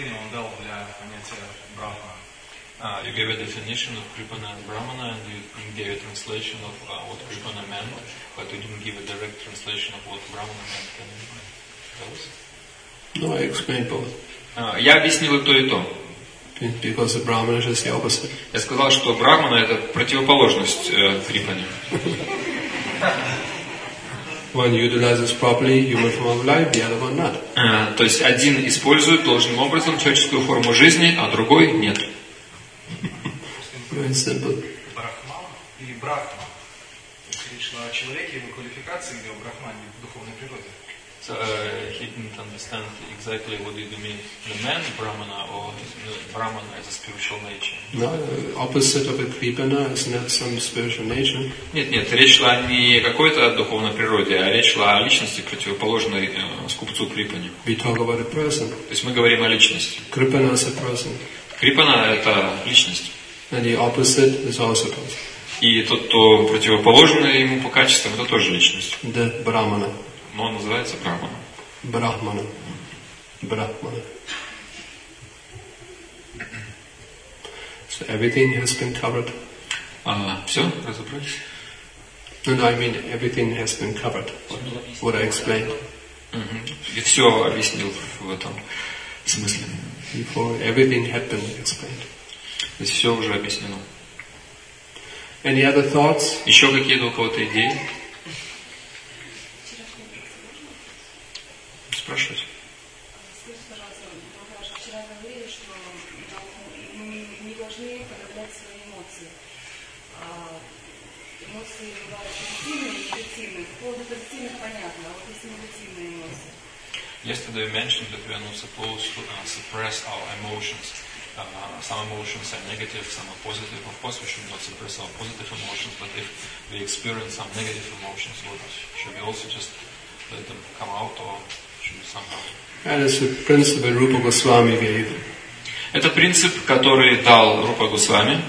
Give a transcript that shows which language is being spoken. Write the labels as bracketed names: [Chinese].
[English] You gave a definition of Kripana and Brahmana, and you gave a translation of what Kripana meant, but you didn't give a direct translation of what Brahmana meant. Can you tell us? No, I explained both. [Russian] Я объяснил и то, и то. [English] Because the Brahmana is just the opposite. [Russian] Я сказал, что Брахмана — это противоположность Крипане. [English] One utilizes properly human form of life, the other one not. [Russian] То есть один использует должным образом человеческую форму жизни, а другой — нет. [English] Very simple. [Russian] Брахман и Брахма. Речь шла о человеке, его квалификации, где в Брахмане, в духовной природе. [English] So, he didn't understand exactly what did you mean. The man, Brahmana, or Brahmana as a spiritual nature? No, opposite of a Kripana is not some spiritual nature. [Russian] Нет, нет, речь шла не о какой-то духовной природе, а речь шла о личности, противоположной скупцу Крипане. [English] We talk about a person. [Russian] То есть мы говорим о личности. [English] Kripana is a person. [Russian] Крипана — это личность. [English] And the opposite is also both. [Russian] И тот, кто противоположный ему по качествам, это тоже личность. [English] The Brahmana. [Russian] Но он называется Брахмана. Брахмана. Брахмана. [English] So everything has been covered. [Russian] Все? Разобрались? [English] No, I mean everything has been covered. What I explained. [Russian] И все объяснил в этом смысле. [English] Before everything had been explained. [Russian] То есть все уже объяснено. [English] Any other thoughts? [Russian] Еще какие-то у кого-то идеи? Спрашивайте. Скажите, пожалуйста, вчера говорили, что мы не должны подавлять свои эмоции. Эмоции бывают позитивные и негативные. По поводу позитивных понятно, а вот если негативные эмоции. [English] Yesterday you mentioned that we are not supposed to suppress our emotions. Some emotions are negative, some are positive. Of course, we should not suppress our positive emotions, but if we experience some negative emotions, should we also just let them come out, or should we somehow? That is the principle Rupa Goswami gave. [Russian] Это принцип, который дал Рупа Госвами.